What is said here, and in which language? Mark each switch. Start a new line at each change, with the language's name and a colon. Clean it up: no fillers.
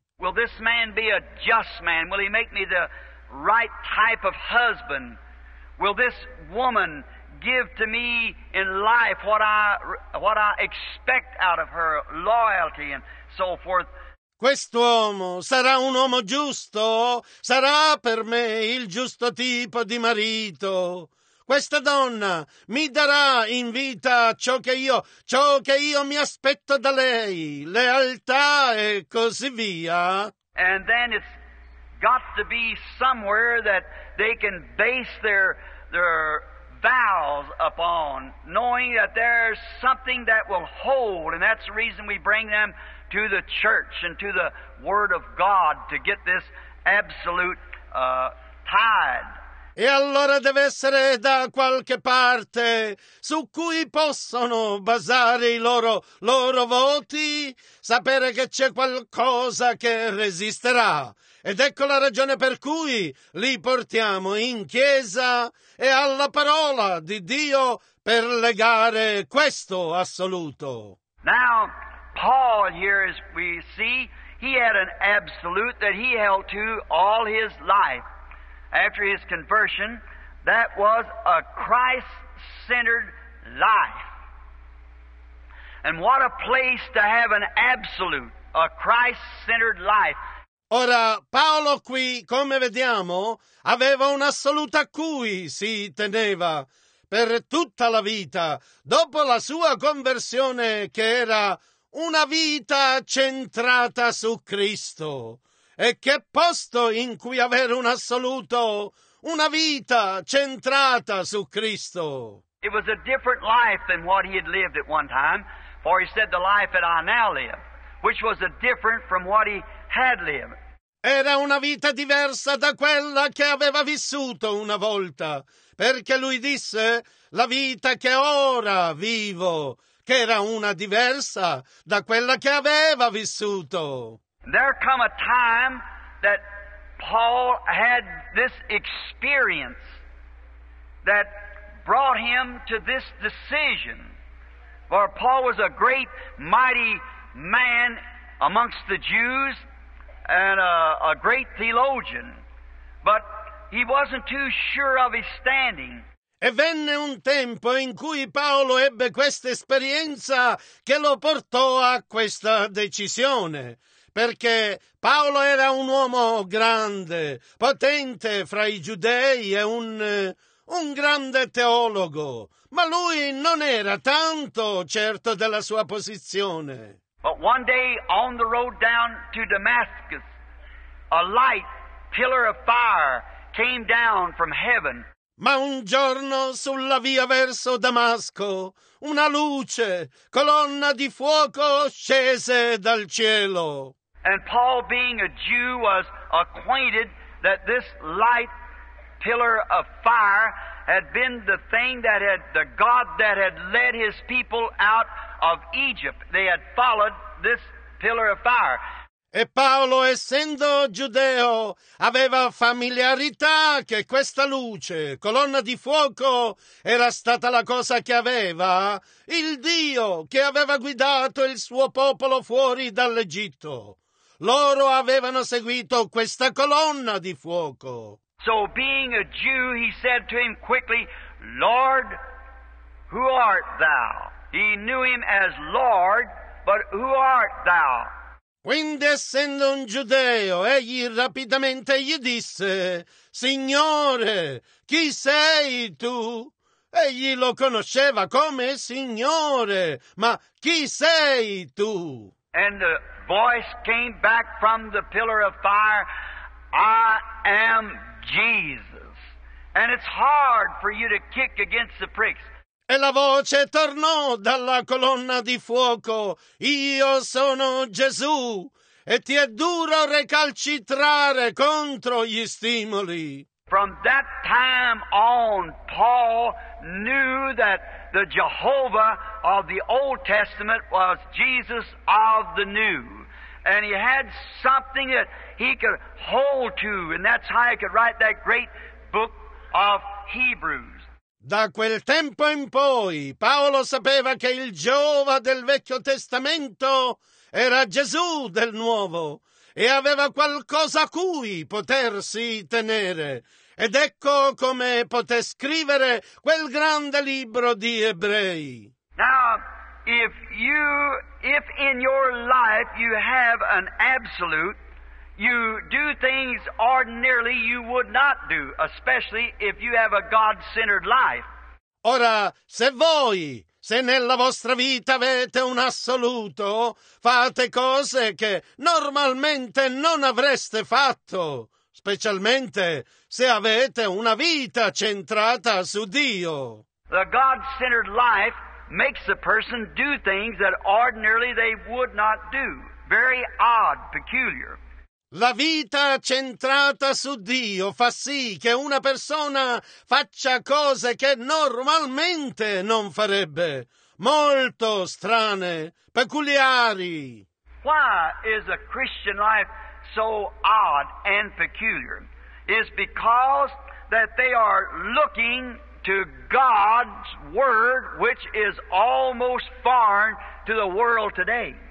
English: Will this man be a just man? Will he make me the right type of husband? Will this woman give to me in life what I expect out of her, loyalty and so forth?
Italian: Quest'uomo sarà un uomo giusto? Sarà per me il giusto tipo di marito? Questa donna mi darà in vita ciò che io mi aspetto da lei, lealtà e così via.
English: And then it's got to be somewhere that they can base their vows upon, knowing that there's something that will hold, and that's the reason we bring them to the church and to the Word of God to get this absolute tied.
Italian: E allora deve essere da qualche parte su cui possono basare i loro voti, sapere che c'è qualcosa che resisterà. Ed ecco la ragione per cui li portiamo in chiesa e alla parola di Dio per legare questo assoluto.
English: Now, Paul, here as we see, he had an absolute that he held to all his life. After his conversion, that was a Christ-centered life. And what a place to have an absolute, a Christ-centered life.
Italian: Ora, Paolo qui, come vediamo, aveva un assoluto a cui si teneva per tutta la vita, dopo la sua conversione, che era una vita centrata su Cristo. E che posto in cui avere un assoluto, una vita centrata su Cristo.
English: It was a different life than what he had lived at one time, for he said the life that I now live, which was a different from what he had lived.
Italian: Era una vita diversa da quella che aveva vissuto una volta, perché lui disse la vita che ora vivo, che era una diversa da quella che aveva vissuto.
English: There come a time that Paul had this experience that brought him to this decision. For Paul was a great, mighty man amongst the Jews and a great theologian, but he wasn't too sure of his standing.
Italian: E venne un tempo in cui Paolo ebbe questa esperienza che lo portò a questa decisione. Perché Paolo era un uomo grande, potente fra i giudei e un grande teologo, ma lui non era tanto certo della sua posizione.
English: But one day on the road down to Damascus, a light pillar of fire came down from heaven.
Italian: Ma un giorno sulla via verso Damasco, una luce, colonna di fuoco scese dal cielo.
English: And Paul, being a Jew, was acquainted that this light pillar of fire had been the thing that had, the God that had led his people out of Egypt. They had followed this pillar of fire.
Italian: E Paolo, essendo giudeo, aveva familiarità che questa luce, colonna di fuoco, era stata la cosa che aveva il Dio che aveva guidato il suo popolo fuori dall'Egitto. Loro avevano seguito questa colonna di fuoco.
English: So being a Jew, he said to him quickly, Lord, who art thou? He knew him as Lord, but who art thou?
Italian: Quindi, essendo un giudeo, egli rapidamente gli disse, Signore, chi sei tu? Egli lo conosceva come Signore, ma chi sei tu?
English: And the voice came back from the pillar of fire, I am Jesus. And it's hard for you to kick against the pricks.
Italian: E la voce tornò dalla colonna di fuoco, io sono Gesù, e ti è duro recalcitrare contro gli stimoli.
English: From that time on, Paul knew that the Jehovah of the Old Testament was Jesus of the New. And he had something that he could hold to, and that's how he could write that great book of Hebrews.
Italian: Da quel tempo in poi, Paolo sapeva che il Geova del Vecchio Testamento era Gesù del Nuovo e aveva qualcosa a cui potersi tenere. Ed ecco come poté scrivere quel grande libro di Ebrei.
English: Now, if in your life you have an absolute, you do things ordinarily you would not do, especially if you have a God-centered life.
Italian: Ora, se voi, se nella vostra vita avete un assoluto, fate cose che normalmente non avreste fatto, specialmente se avete una vita centrata su Dio.
English: The God-centered life makes a person do things that ordinarily they would not do. Very odd, peculiar.
Italian: La vita centrata su Dio fa sì che una persona faccia cose che normalmente non farebbe. Molto strane, peculiari.
English: Why is a Christian life so odd and peculiar? It's because that they are looking to God's word, which is almost foreign to the world today.